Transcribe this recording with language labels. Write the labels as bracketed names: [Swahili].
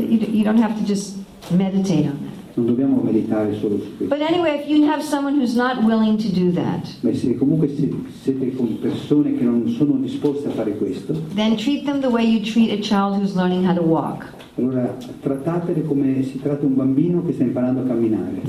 [English] You don't have to just meditate on that. [Italian] Non dobbiamo meditare solo su questo. [English] But anyway, if you have someone who's not willing to do that, [Italian] ma se comunque siete con persone che non sono disposte a fare questo, [English] then treat them the way you treat a child who's learning how to walk. [Italian] Allora trattatele come si tratta un bambino che sta imparando a camminare.